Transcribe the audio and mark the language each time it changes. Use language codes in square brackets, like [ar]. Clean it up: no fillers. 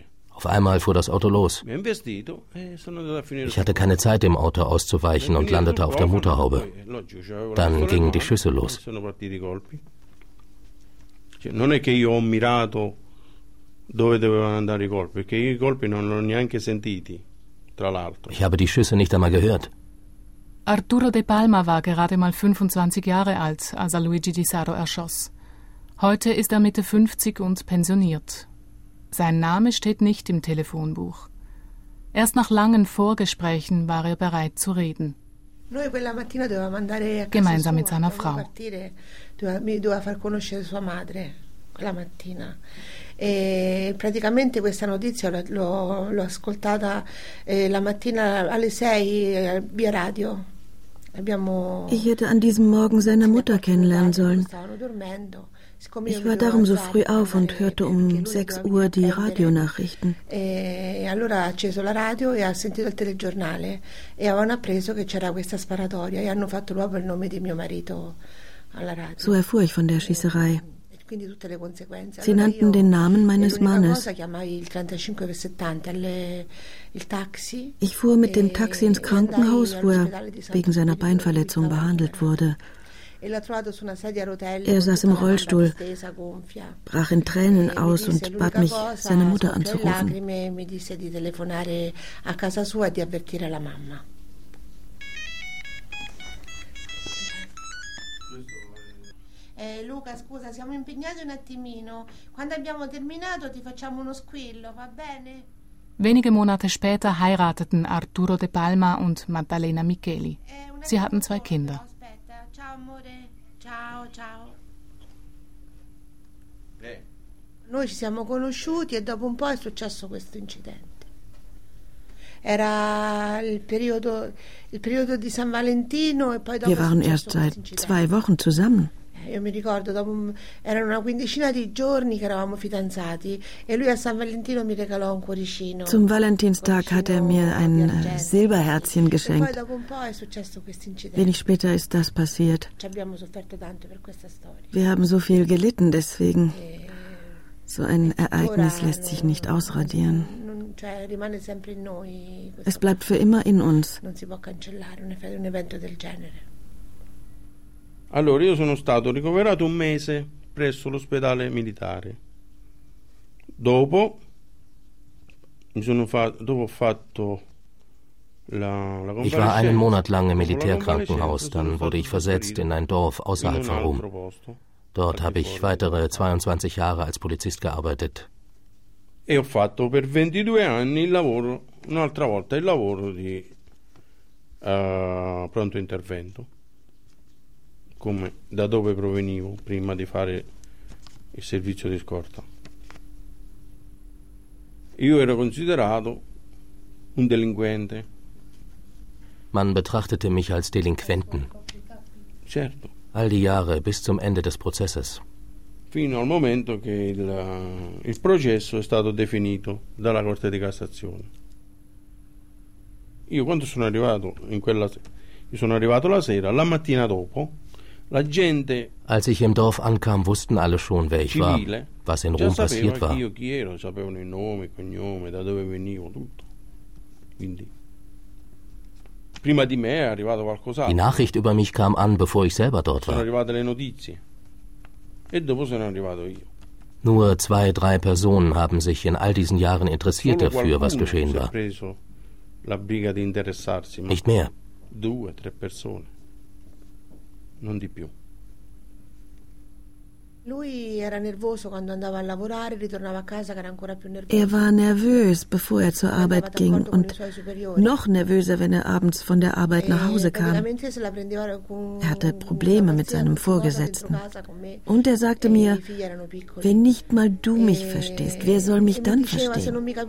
[de] Auf einmal fuhr das Auto los. Ich hatte keine Zeit, dem Auto auszuweichen und landete auf der Motorhaube. Dann gingen die Schüsse los. [it] Non è che io ho mirato dove dovevano andare i colpi, perché i colpi non l'ho neanche sentiti, tra l'altro. [de] Ich habe die Schüsse nicht einmal gehört. Arturo De Palma war gerade mal 25 Jahre alt, als er Luigi Di Sarro erschoss. Heute ist er Mitte 50 und pensioniert. Sein Name steht nicht im Telefonbuch. Erst nach langen Vorgesprächen war er bereit zu reden. [it] Noi quella mattina dovevamo andare a casa [de] gemeinsam mit seiner Frau. [it] Mi doveva far conoscere sua madre quella mattina. E praticamente questa notizia l'ho ascoltata la mattina alle 6 via radio. Abbiamo [de] Ich hätte an diesem Morgen seine Mutter kennenlernen sollen. Ich war darum so früh auf und hörte um 6 Uhr die Radionachrichten. [it] E allora ha acceso la radio e ha sentito il telegiornale e avevano appreso che c'era questa sparatoria e hanno fatto luogo il nome di mio marito alla radio. [de] So erfuhr ich von der Schießerei. Sie nannten den Namen meines Mannes. Ich fuhr mit dem Taxi ins Krankenhaus, wo er wegen seiner Beinverletzung behandelt wurde. Er saß im Rollstuhl, brach in Tränen aus und bat mich, seine Mutter anzurufen. [it] Luca, scusa, siamo impegnati un attimino. Quando abbiamo terminato, ti facciamo uno squillo, va bene? [de] Wenige Monate später heirateten Arturo De Palma und Maddalena Micheli. Sie hatten 2 Kinder. [it] Aspetta, ciao amore. Ciao, ciao. Noi ci siamo conosciuti e dopo un po' è successo questo incidente. Era il periodo di San Valentino e poi dopo. [de] Wir waren erst seit 2 Wochen zusammen. [it] Io mi ricordo dopo erano una quindicina di giorni che eravamo fidanzati e lui a San Valentino mi regalò un cuoricino. [de] Zum Valentinstag hat er mir ein Silberherzchen geschenkt. [it] E poi dopo un po' è successo questo incidente. [de] Wenig später ist das passiert. [it] Ci abbiamo sofferto tanto per questa storia. [de] Wir haben so viel gelitten deswegen. So ein Ereignis lässt sich nicht ausradieren. [it] Cioè rimane sempre in noi. [de] Es bleibt für immer in uns. [it] Non si può cancellare un evento del genere. Allora, io sono stato ricoverato un mese presso l'ospedale militare. Dopo ho fatto la [de] Ich war einen Monat lang im Militärkrankenhaus, dann wurde ich versetzt in ein Dorf außerhalb von Rom. Dort habe ich weitere 22 Jahre als Polizist gearbeitet. [it] E ho fatto per 22 anni il lavoro, un'altra volta il lavoro di pronto intervento. Come da dove provenivo prima di fare il servizio di scorta. Io ero considerato un delinquente. [de] Man betrachtete mich als Delinquenten. [it] Certo. [de] All die Jahre bis zum Ende des Prozesses. [it] Fino al momento che il processo è stato definito dalla Corte di Cassazione. Io quando sono arrivato in quella sono arrivato la sera, la mattina dopo, la gente. [de] Als ich im Dorf ankam, wussten alle schon, wer ich war, was in Rom passiert war. [it] Io chi ero, sapevano il nome, il cognome, da dove venivo, tutto. Quindi. Prima di me è arrivato qualcos'altro. [de] Die Nachricht über mich kam an, bevor ich selber dort war. [it] Sono arrivate le notizie. E dopo sono arrivato io. [de] Nur zwei, drei Personen haben sich in all diesen Jahren interessiert dafür, was geschehen war. [it] Preso la briga di interessarsi, [de] nicht mehr. [it] Due, tre persone. Non di più. Lui era nervoso quando andava a lavorare, ritornava a casa che era ancora più nervoso. [de] Er war nervös, bevor er zur Arbeit ging und noch nervöser, wenn er abends von der Arbeit nach Hause kam. Er hatte Probleme mit seinem Vorgesetzten. Und er sagte mir, wenn nicht mal du mich verstehst, wer soll mich dann verstehen?